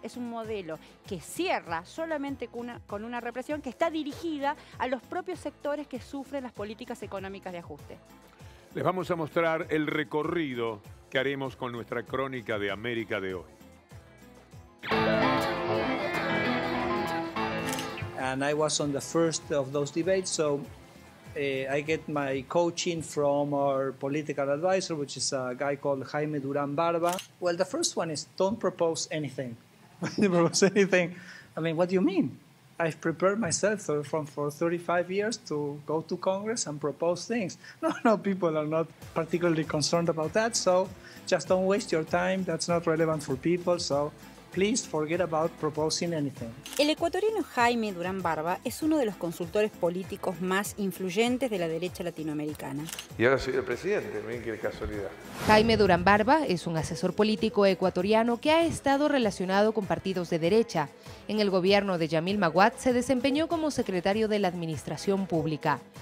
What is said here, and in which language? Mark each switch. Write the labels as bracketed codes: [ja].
[es] Es un modelo que cierra solamente con una represión que está dirigida a los propios sectores que sufren las políticas económicas de ajuste. Les vamos a mostrar el recorrido que haremos con nuestra crónica de América de hoy. [en] And I was on the first of those debates, so I get my coaching from our political advisor, which is a guy called Jaime Durán Barba. Well, the first one is don't propose anything. Don't propose anything. I mean, what do you mean? I've prepared myself for 35 years to go to Congress and propose things. No, no, people are not particularly concerned about that, so just don't waste your time. That's not relevant for people, so please forget about proposing anything. [es] El ecuatoriano Jaime Durán Barba es uno de los consultores políticos más influyentes de la derecha latinoamericana. Y ahora soy el presidente, miren qué casualidad. Jaime Durán Barba es un asesor político ecuatoriano que ha estado relacionado con partidos de derecha. En el gobierno de Yamil Maguad se desempeñó como secretario de la Administración Pública.